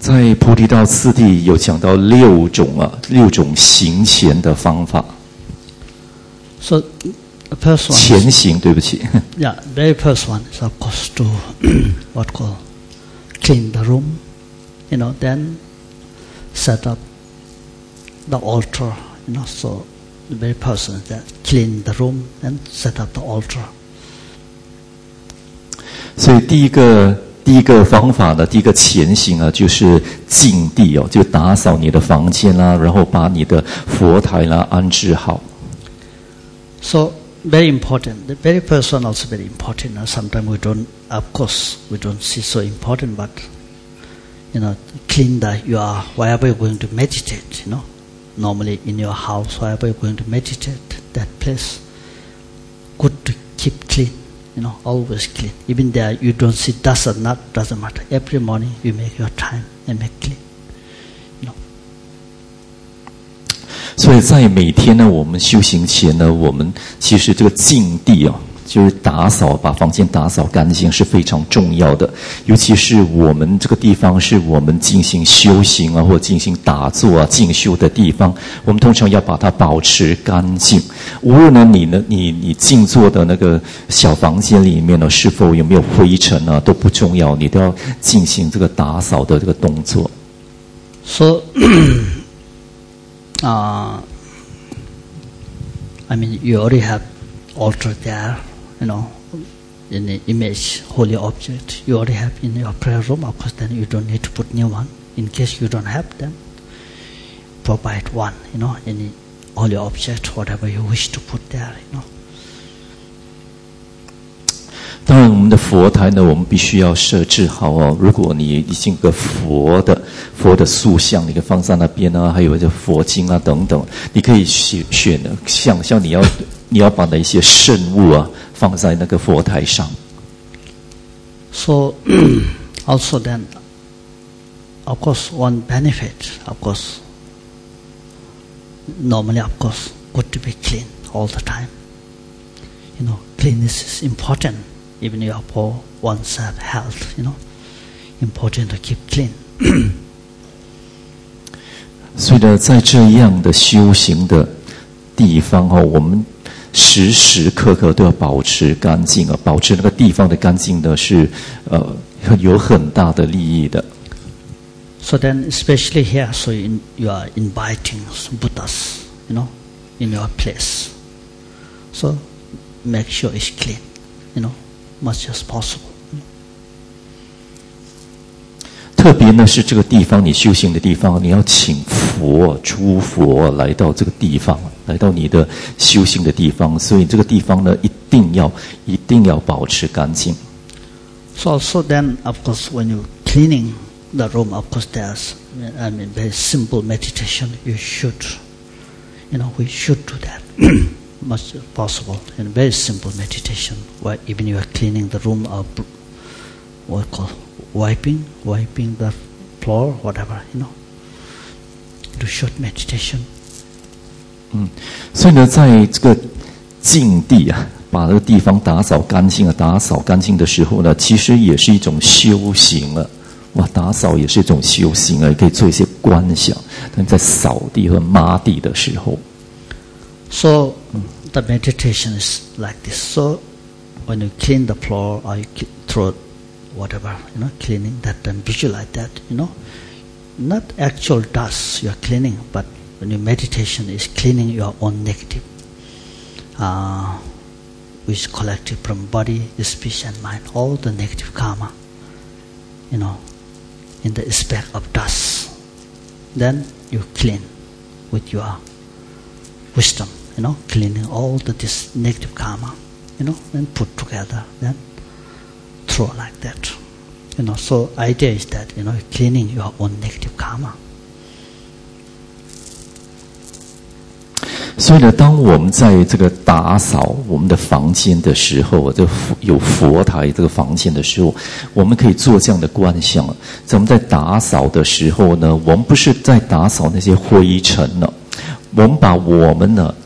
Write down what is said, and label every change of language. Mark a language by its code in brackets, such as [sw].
[zh] 在菩提道次第有讲到六种行前的方法。 [en] So. First one, [zh] 前行，对不起。 [en] Yeah, very first one is of course to what call clean the room, you know, then set up the altar, you know, so the very person that clean the room and set up the altar. [zh] 所以第一个方法呢，第一个前行啊，就是净地哦，就打扫你的房间啦，然后把你的佛台啦安置好。 [en] So,very important. The very first one also very important. Sometimes we don't, of course, we don't see so important, but, you know, clean that you are, wherever you're going to meditate, you know, normally in your house, wherever you're going to meditate, that place, good to keep clean, you know, always clean. Even there, you don't see dust or not, doesn't matter. Every morning, you make your time and make clean. [zh] 所以在每天呢，我们修行前呢，我们其实这个净地啊，就是打扫，把房间打扫干净是非常重要的。尤其是我们这个地方是我们进行修行啊，或进行打坐啊、进修的地方，我们通常要把它保持干净。无论呢，你静坐的那个小房间里面呢，是否有没有灰尘啊，都不重要，你都要进行这个打扫的这个动作。 [en] So, I mean, you already have altar there, you know, in the image, holy object. You already have in your prayer room. Of course, then you don't need to put new one. In case you don't have them, provide one, you know, any holy object, whatever you wish to put there, you know. [zh] 当然，我们的佛台呢，我们必须要设置好哦。如果你已经有个佛的塑像，你可以放在那边啊，还有这佛经啊等等，你可以选像你要把那些圣物啊放在那个佛台上。 [en] So also then, of course, one benefit, of course, normally, of course, good to be clean all the time. You know, cleanliness is important. Even your poor oneself health, you know, important to keep clean. [zh] 所以呢，在这样的修行的地方哈，我们时时刻刻都要保持干净啊，保持那个地方的干净呢，是有很大的利益的。 [en] So then, especially here, so you are inviting some Buddhas, you know, in your place. So make sure it's clean, you know. Much as possible. [zh] 特别呢，是这个地方，你修行的地方，你要请佛、诸佛来到这个地方，来到你的修行的地方，所以这个地方呢，一定要保持干净。 [en] So also then, of course, when you cleaning the room, of course, there's, I mean, very simple meditation. You should, you know, we should do that. Much possible in very simple meditation where even you are cleaning the room or what you call wiping the floor, whatever, you know, do short meditation. [zh] 所以呢，在这个净地啊，把这个地方打扫干净啊，打扫干净的时候呢，其实也是一种修行啊。哇，打扫也是一种修行啊，也可以做一些观想。但在扫地和抹地的时候。 [en] So the meditation is like this. So when you clean the floor or you throw whatever, you know, cleaning that and visualize that, you know, not actual dust you are cleaning, but when your meditation is cleaning your own negative, which collected from body, speech and mind, all the negative karma, you know, in the aspect of dust, then you clean with your wisdom. You know, cleaning all the this negative karma, you know, and put together, then throw like that. You know, so idea is that, you know, cleaning your own negative karma. [zh] 所以呢，当我们在这个打扫我们的房间的时候，这有佛台这个房间的时候，我们可以做这样的观想。咱们在打扫的时候呢，我们不是在打扫那些灰尘呢，我们把我们呢。